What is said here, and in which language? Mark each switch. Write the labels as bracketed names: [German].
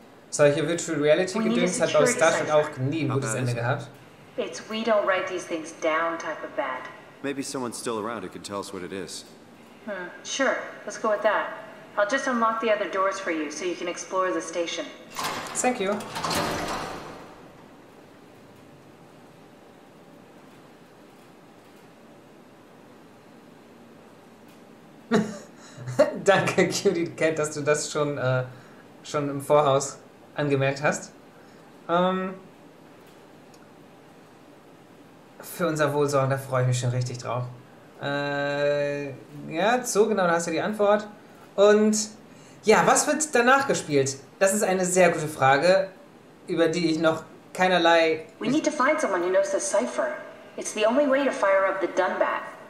[German] Solche Virtual Reality Gedöns hat aus Star Trek auch nie ein gutes Ende gehabt. [English] It's we don't write these things down type of bad. Maybe someone's still around who can tell us what it is. Sure. Let's go with that. I'll just unlock the other doors for you so you can explore the station. Thank you. [German] Danke, Cutie Cat, dass du das schon im Voraus angemerkt hast. Für unser Wohlsorgen, da freue ich mich schon richtig drauf. Ja, so genau, da hast du die Antwort. Und ja, was wird danach gespielt? Das ist eine sehr gute Frage, über die ich noch keinerlei... [English] We need to find someone who knows the cipher. It's the only way to fire up the Dunbat.